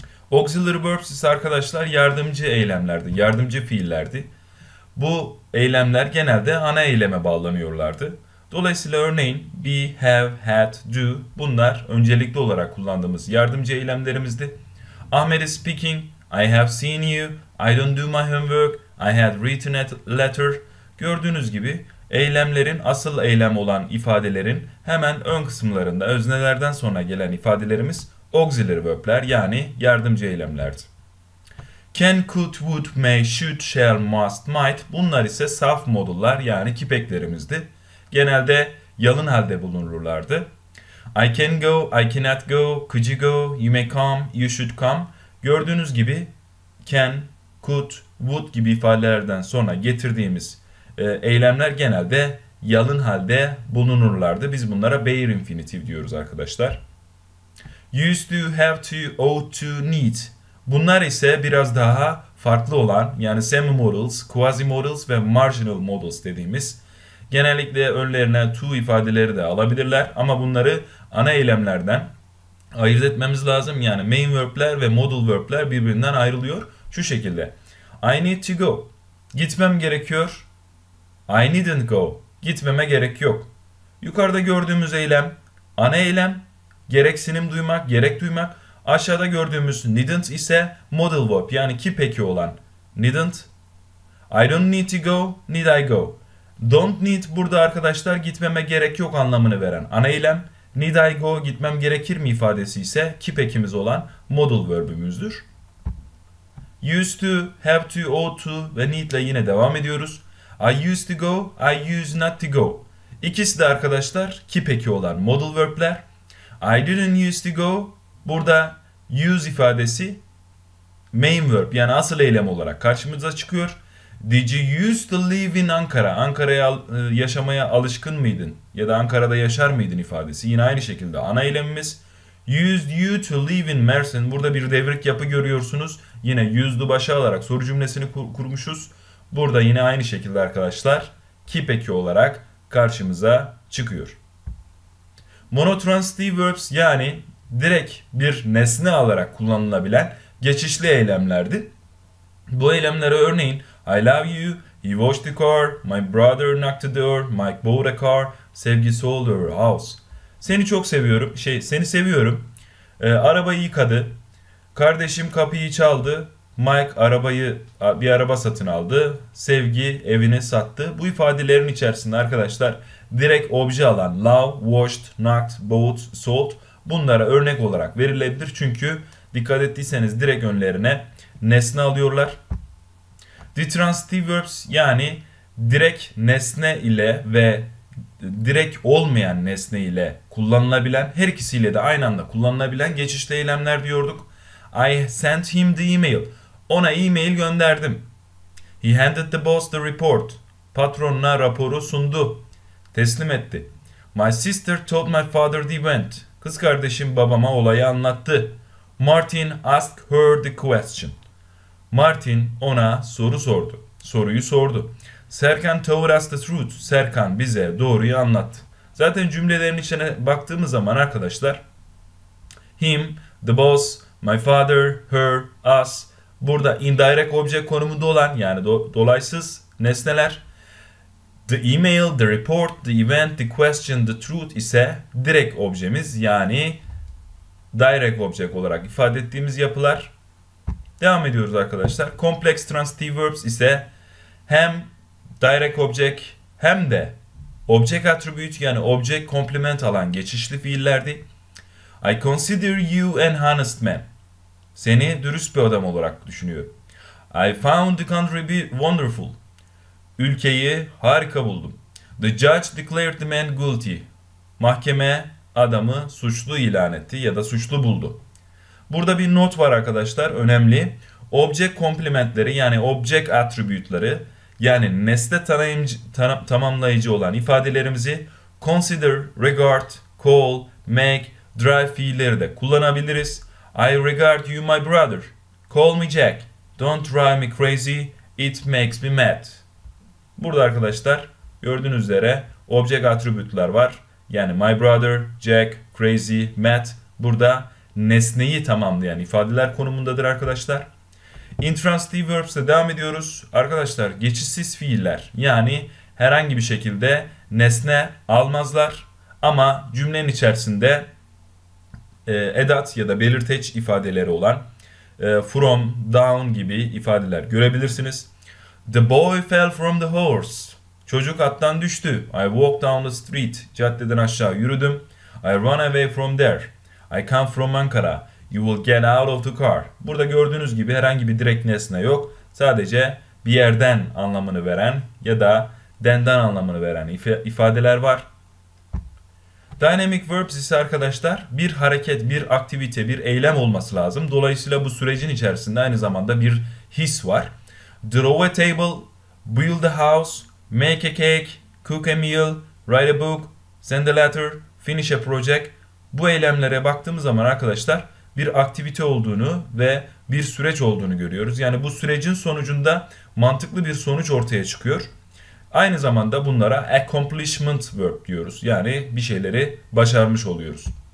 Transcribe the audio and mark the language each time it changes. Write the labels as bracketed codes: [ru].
[tr] Auxiliary verbs ise arkadaşlar yardımcı eylemlerdi, yardımcı fiillerdi. Bu eylemler genelde ana eyleme bağlanıyorlardı. Dolayısıyla örneğin be, have, had, do bunlar öncelikli olarak kullandığımız yardımcı eylemlerimizdi. [en] Ahmet is speaking, I have seen you, I don't do my homework, I had written a letter. [tr] Gördüğünüz gibi eylemlerin, asıl eylem olan ifadelerin hemen ön kısımlarında öznelerden sonra gelen ifadelerimiz auxiliary verbler yani yardımcı eylemlerdi. [en] Can, could, would, may, should, shall, must, might [tr] bunlar ise saf modullar yani kipeklerimizdi. Genelde yalın halde bulunurlardı. [en] I can go, I cannot go, could you go, you may come, you should come. [tr] Gördüğünüz gibi can, could, would gibi ifadelerden sonra getirdiğimiz eylemler genelde yalın halde bulunurlardı. Biz bunlara bare infinitive diyoruz arkadaşlar. [en] Used to, have to, ought to, need. [tr] Bunlar ise biraz daha farklı olan yani semi-modals, quasi-modals ve marginal modals dediğimiz genellikle önlerine to ifadeleri de alabilirler ama bunları ana eylemlerden ayırt etmemiz lazım. Yani main verb'ler ve modal verb'ler birbirinden ayrılıyor. Şu şekilde. [en] I need to go. [tr] Gitmem gerekiyor. [en] I needn't go. [tr] Gitmeme gerek yok. Yukarıda gördüğümüz eylem ana eylem. Gereksinim duymak, gerek duymak. Aşağıda gördüğümüz needn't ise modal verb yani ki peki olan needn't. [en] I don't need to go, need I go. [tr] Don't need burada arkadaşlar gitmeme gerek yok anlamını veren ana eylem. [en] Need I go, [tr] gitmem gerekir mi ifadesi ise ki pekimiz olan modal verbümüzdür. Used to, have to, ought to ve need ile yine devam ediyoruz. [en] I used to go, I used not to go. [tr] İkisi de arkadaşlar ki peki olan modal verbler. [en] I didn't used to go. [tr] Burada use ifadesi main verb yani asıl eylem olarak karşımıza çıkıyor. [en] Did you used to live in Ankara? [tr] Ankara'ya yaşamaya alışkın mıydın? Ya da Ankara'da yaşar mıydın ifadesi? Yine aynı şekilde ana eylemimiz. [en] Used you to live in Mersin? [tr] Burada bir devrik yapı görüyorsunuz. Yine used'u başa alarak soru cümlesini kurmuşuz. Burada yine aynı şekilde arkadaşlar ki peki olarak karşımıza çıkıyor. Monotransitive verbs yani direkt bir nesne alarak kullanılabilen geçişli eylemlerdi. Bu eylemlere örneğin [en] I love you, he washed the car, my brother knocked the door, Mike bought a car, sevgi sold her house. [tr] Seni çok seviyorum, seni seviyorum. Arabayı yıkadı, kardeşim kapıyı çaldı, Mike arabayı bir araba satın aldı, sevgi evini sattı. Bu ifadelerin içerisinde arkadaşlar direkt obje alan love, washed, knocked, bought, sold bunlara örnek olarak verilebilir. Çünkü dikkat ettiyseniz direkt önlerine nesne alıyorlar. Detransitive verbs yani direkt nesne ile ve direkt olmayan nesne ile kullanılabilen, her ikisiyle de aynı anda kullanılabilen geçişli eylemler diyorduk. [en] I sent him the email. [tr] Ona e-mail gönderdim. [en] He handed the boss the report. [tr] Patronuna raporu sundu. Teslim etti. [en] My sister told my father the event. [tr] Kız kardeşim babama olayı anlattı. [en] Martin asked her the question. [tr] Martin ona soru sordu. Soruyu sordu. [en] Serkan told us the truth. [tr] Serkan bize doğruyu anlattı. Zaten cümlelerin içine baktığımız zaman arkadaşlar, him, the boss, my father, her, us, burada indirect object konumunda olan, yani dolaysız nesneler, the email, the report, the event, the question, the truth ise direct objemiz, yani direct object olarak ifade ettiğimiz yapılar. Devam ediyoruz arkadaşlar. Complex transitive verbs ise hem direct object hem de object attribute, yani object complement alan geçişli fiillerdi. [en] I consider you an honest man. [tr] Seni dürüst bir adam olarak düşünüyorum. [en] I found the country wonderful. [tr] Ülkeyi harika buldum. [en] The judge declared the man guilty. [tr] Mahkeme adamı suçlu ilan etti ya da suçlu buldu. Burada bir not var arkadaşlar, önemli. Object complementleri, yani object attribute'ları, yani nesne tamamlayıcı olan ifadelerimizi consider, regard, call, make, drive fiilleri de kullanabiliriz. [en] I regard you my brother. Call me Jack. Don't drive me crazy. It makes me mad. [tr] Burada arkadaşlar gördüğünüz üzere object attribute'lar var. Yani my brother, Jack, crazy, mad. Burada nesneyi tamamlayan ifadeler konumundadır arkadaşlar. Intransitive verbs ile devam ediyoruz. Arkadaşlar geçişsiz fiiller, yani herhangi bir şekilde nesne almazlar ama cümlenin içerisinde edat ya da belirteç ifadeleri olan from, down gibi ifadeler görebilirsiniz. [en] The boy fell from the horse. [tr] Çocuk attan düştü. [en] I walked down the street. [tr] Caddeden aşağı yürüdüm. [en] I ran away from there. I come from Ankara. You will get out of the car. [tr] Burada gördüğünüz gibi herhangi bir direkt nesne yok. Sadece bir yerden anlamını veren ya da den'den anlamını veren ifadeler var. Dynamic verbs ise arkadaşlar bir hareket, bir aktivite, bir eylem olması lazım. Dolayısıyla bu sürecin içerisinde aynı zamanda bir his var. [en] Draw a table, build a house, make a cake, cook a meal, write a book, send a letter, finish a project. [tr] Bu eylemlere baktığımız zaman arkadaşlar bir aktivite olduğunu ve bir süreç olduğunu görüyoruz. Yani bu sürecin sonucunda mantıklı bir sonuç ortaya çıkıyor. Aynı zamanda bunlara accomplishment verb diyoruz. Yani bir şeyleri başarmış oluyoruz.